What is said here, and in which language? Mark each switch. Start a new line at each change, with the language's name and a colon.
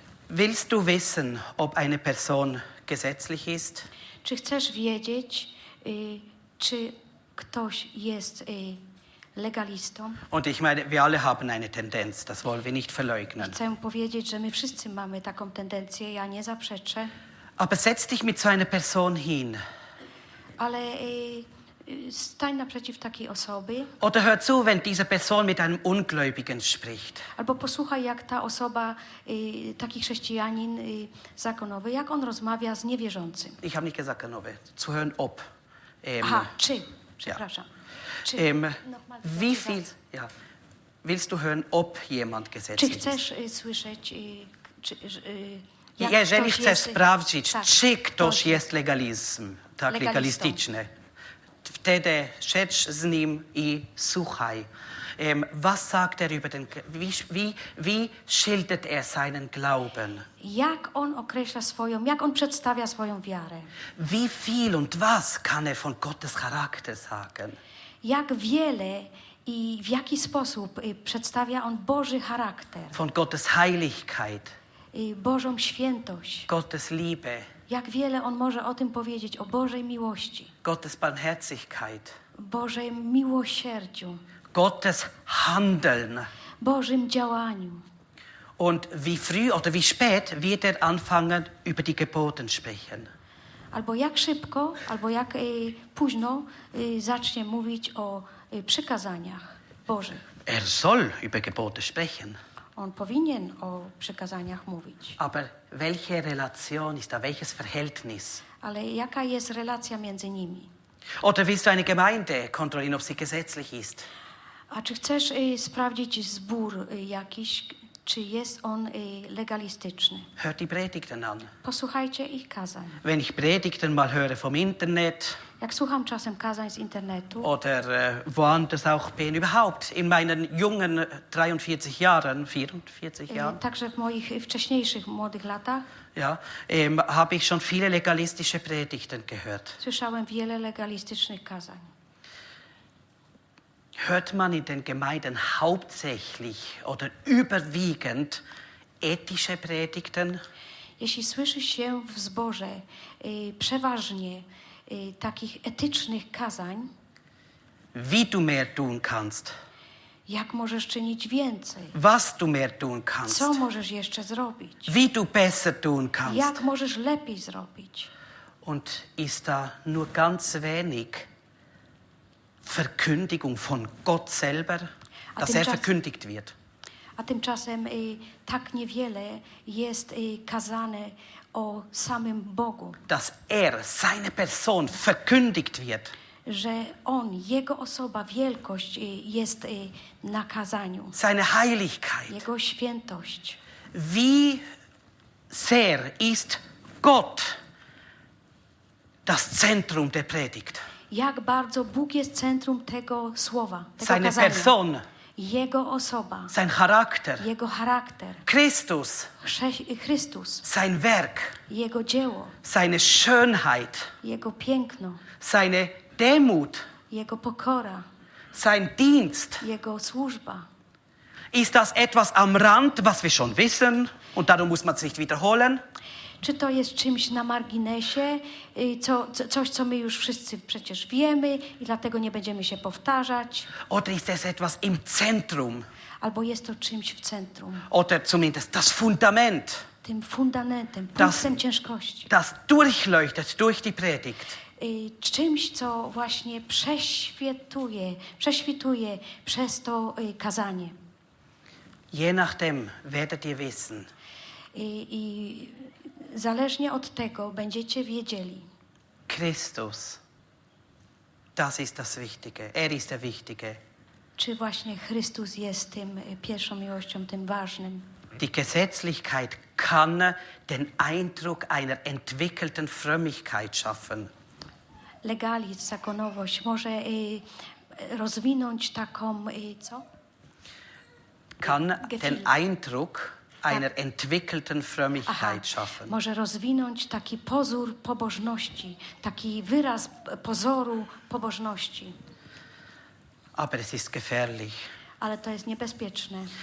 German: Willst du wissen, ob eine Person gesetzlich ist?
Polish: Czy chcesz wiedzieć, czy ktoś jest legalistą?
German: Und ich meine, wir alle haben eine Tendenz, das wollen wir nicht verleugnen.
Polish: Chcę powiedzieć, że my wszyscy mamy taką tendencję, ja nie zaprzeczę.
German: Aber setz dich mit so einer Person hin.
Polish: Ale stań naprzeciw takiej osoby.
German: Oder hör zu, wenn diese Person mit einem Ungläubigen spricht.
Polish: Albo posłuchaj, jak ta osoba, taki chrześcijanin zakonowy, jak on rozmawia z niewierzącym.
German: Ich habe nicht gesagt zakonowy. Zu hören, ob.
Polish: Aha, czy. Przepraszam.
German: Ja.
Polish: Czy.
German: Wie viel, ja. Willst du hören, ob jemand gesetzlich ist?
Polish: Czy chcesz słyszeć, czy, jak jeżeli ktoś chcesz jest, sprawdzić, tak, czy ktoś jest legalizm, tak, legalistyczny. Wtedy szedź z nim i słuchaj.
German: Was sagt über den, wie schildert seinen Glauben?
Polish: Jak on określa swoją, jak on przedstawia swoją wiarę?
German: Wie viel und was kann von Gottes Charakter sagen?
Polish: Jak wiele i w jaki sposób przedstawia on Boży charakter?
German: Von Gottes Heiligkeit.
Polish: Bożą świętość.
German: Gottes Liebe.
Polish: Jak wiele on może o tym powiedzieć, o Bożej miłości.
German: Gottes Barmherzigkeit.
Polish: Bożej miłosierdziu.
German: Gottes Handeln.
Polish: Bożym działaniu.
German: Und wie früh oder wie spät wird anfangen über die Geboten sprechen.
Polish: Albo jak szybko, albo jak późno zacznie mówić o przykazaniach Bożych.
German: Soll über Gebote sprechen.
Polish: On powinien o przykazaniach mówić.
German: Aber welche Relation ist da, welches Verhältnis?
Polish: Ale jaka jest relacja między nimi?
German: Oder willst du eine Gemeinde kontrollieren, ob sie gesetzlich ist?
Polish: A czy chcesz sprawdzić zbór jakiś, czy jest on legalistyczny?
German: Hör die Predigten an.
Polish: Posłuchajcie ich kazań.
German: Wenn ich Predigten mal höre vom Internet.
Polish: Jak słucham czasem kazań z internetu.
German: Oder woanders auch bin, überhaupt in meinen jungen 43 Jahren, 44 Jahren.
Polish: Także w moich wcześniejszych młodych latach.
German: Ja, habe ich schon viele legalistische Predigten gehört.
Polish: Słyszałem wiele legalistycznych kazań.
German: Hört man in den Gemeinden hauptsächlich oder überwiegend ethische Predigten?
Polish: Jeśli słyszy się w zborze przeważnie takich etycznych kazań,
German: wie du mehr tun kannst.
Polish: Jak możesz czynić więcej?
German: Was du mehr tun kannst.
Polish: Co możesz jeszcze zrobić?
German: Wie du besser tun kannst.
Polish: Jak możesz lepiej zrobić?
German: Und ist da nur ganz wenig Verkündigung von Gott selber, dass er verkündigt wird.
Polish: A tymczasem tak niewiele jest kazane o samym Bogu.
German: Dass seine Person verkündigt wird.
Polish: Że on, jego osoba, wielkość jest na kazaniu.
German: Seine Heiligkeit.
Polish: Jego świętość.
German: Wie sehr ist Gott das Zentrum der Predigt?
Polish: Jak bardzo Bóg jest centrum tego słowa, tego
German: seine
Polish: kazania.
German: Person.
Polish: Jego osoba.
German: Sein Charakter.
Polish: Jego charakter.
German: Christus.
Polish: Chrystus.
German: Sein Werk.
Polish: Jego dzieło.
German: Seine Schönheit.
Polish: Jego piękno.
German: Seine Demut.
Polish: Jego pokora.
German: Sein Dienst.
Polish: Jego służba.
German: Ist das etwas am Rand, was wir schon wissen und darum muss man es nicht wiederholen?
Polish: Czy to jest czymś na marginesie, coś, co my już wszyscy przecież wiemy i dlatego nie będziemy się powtarzać?
German: Oder ist es etwas im Zentrum?
Polish: Albo jest to czymś w centrum.
German: Oder zumindest das Fundament.
Polish: Tym fundamentem, punktem ciężkości.
German: Das durchleuchtet durch die Predigt.
Polish: Czymś, co właśnie prześwituje przez to kazanie.
German: Je nachdem werdet ihr wissen.
Polish: I zależnie od tego będziecie wiedzieli.
German: Christus. Das ist das Wichtige. Ist der Wichtige.
Polish: Czy właśnie Chrystus jest tym pierwszą miłością, tym ważnym?
German: Die Gesetzlichkeit kann den Eindruck einer entwickelten Frömmigkeit schaffen.
Polish: Legalizm, zakonowość może rozwinąć taką co?
German: Kann den Eindruck einer entwickelten Frömmigkeit schaffen.
Polish: Może rozwinąć taki pozór pobożności, taki wyraz pozoru pobożności.
German: Aber es ist gefährlich.
Polish: Ale to jest niebezpieczne.